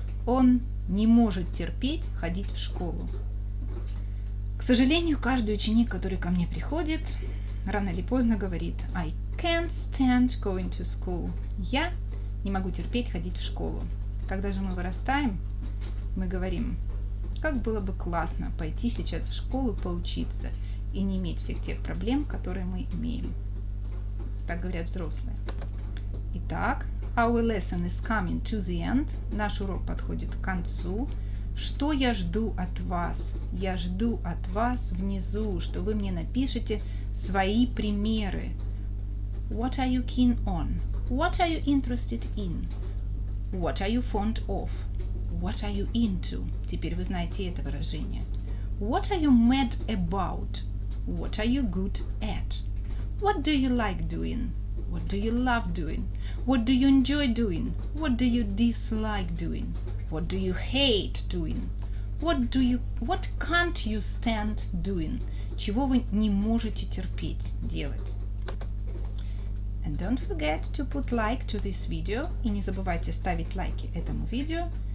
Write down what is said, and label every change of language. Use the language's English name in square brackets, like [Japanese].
[Russian] Он не может терпеть ходить в школу. К сожалению, каждый ученик, который ко мне приходит, рано или поздно говорит [English] I can't stand going to school. [Russian] Я не могу терпеть ходить в школу. Когда же мы вырастаем, мы говорим, как было бы классно пойти сейчас в школу поучиться и не иметь всех тех проблем, которые мы имеем. Так говорят взрослые. Итак, [English] our lesson is coming to the end. [Russian] Наш урок подходит к концу. Что я жду от вас? Я жду от вас внизу, что вы мне напишите свои примеры. [English] What are you keen on? What are you interested in? What are you fond of? What are you into? [Russian] Теперь вы знаете это выражение. [English] What are you mad about? What are you good at? What do you like doing? What do you love doing? What do you enjoy doing? What do you dislike doing? What do you hate doing? What can't you stand doing? [Russian] Чего вы не можете терпеть делать? [English] And don't forget to put like to this video. [Russian] И не забывайте ставить лайки этому видео.